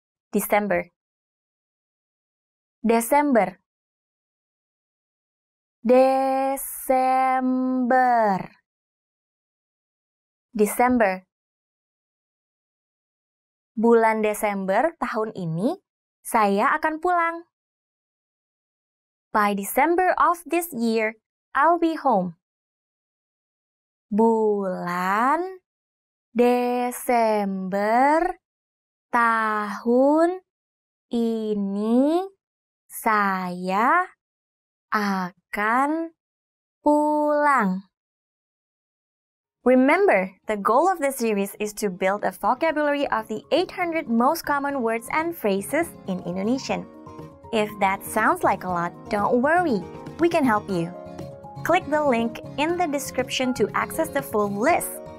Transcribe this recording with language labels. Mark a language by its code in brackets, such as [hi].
[id] Desember. Desember. Desember. Desember. Bulan Desember tahun ini saya akan pulang. [en] By December of this year, I'll be home. [id] Bulan Desember tahun ini saya akan pulang. [en] Remember, the goal of this series is to build a vocabulary of the 800 most common words and phrases in Indonesian. If that sounds like a lot, don't worry, we can help you. Click the link in the description to access the full list.